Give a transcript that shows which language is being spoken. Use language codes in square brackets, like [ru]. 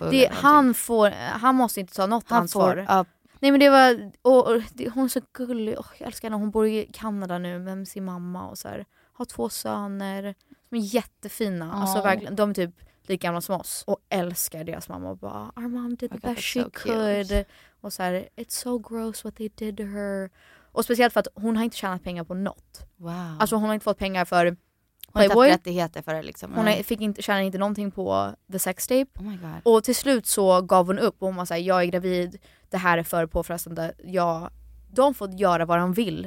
[sv] Det, han får, han måste inte ta något han ansvar. Får, nej, men det var, och det, hon är så gullig. Oh, jag älskar henne. Hon bor i Kanada nu med sin mamma och så här. Har två söner som är jättefina. Oh. Alltså verkligen, de är typ lika gamla som oss och älskar deras mamma och bara [en] our mom did the best she could. [sv] Och så här, [en] it's so gross what they did to her. [sv] Och speciellt för att hon har inte tjänat pengar på något. [en] Wow. [sv] Alltså hon har inte fått pengar för Playboy. Hon har inte haft rättigheter för det liksom. Hon fick inte, tjänade inte någonting på The Sex Tape. [en] Oh my god. [sv] Och till slut så gav hon upp. Och hon var såhär, jag är gravid. Det här är för påfrestande. Ja, de får göra vad de vill.